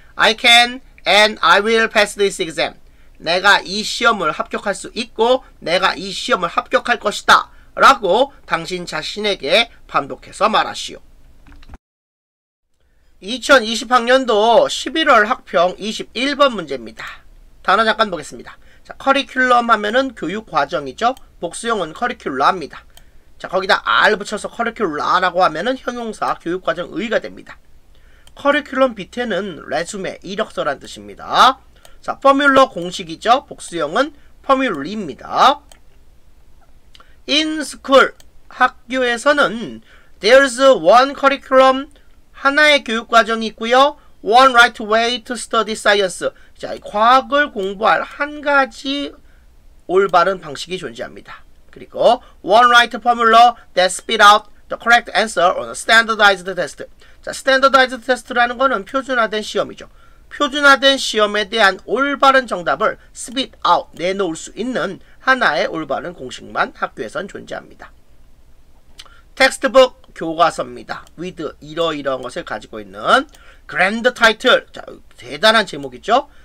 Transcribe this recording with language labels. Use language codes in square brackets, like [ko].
[en] I can and I will pass this exam. [ko] 내가 이 시험을 합격할 수 있고 내가 이 시험을 합격할 것이다 라고 당신 자신에게 반복해서 말하시오. 2020학년도 11월 학평 21번 문제입니다. 단어 잠깐 보겠습니다. 자, 커리큘럼 하면은 교육과정이죠. 복수형은 커리큘라입니다. 자, 거기다 R 붙여서 커리큘라라고 하면은 형용사 교육과정 의가 됩니다. 커리큘럼 밑에는 레주메 이력서란 뜻입니다. 자, 퍼뮬러 공식이죠. 복수형은 퍼뮬리입니다. In school, 학교에서는 [en] there's one curriculum, [ko] 하나의 교육과정이 있고요. [en] One right way to study science. [ko] 자, 과학을 공부할 한 가지 올바른 방식이 존재합니다. [en] 그리고 one right formula that spit out the correct answer on a standardized test. [ko] 자, standardized test라는 거는 표준화된 시험이죠. 표준화된 시험에 대한 올바른 정답을 [en] spit out, [ko] 내놓을 수 있는 하나의 올바른 공식만 학교에선 존재합니다. Textbook, 교과서입니다. With, 이러이러한 것을 가지고 있는 Grand Title, 자, 대단한 제목이죠.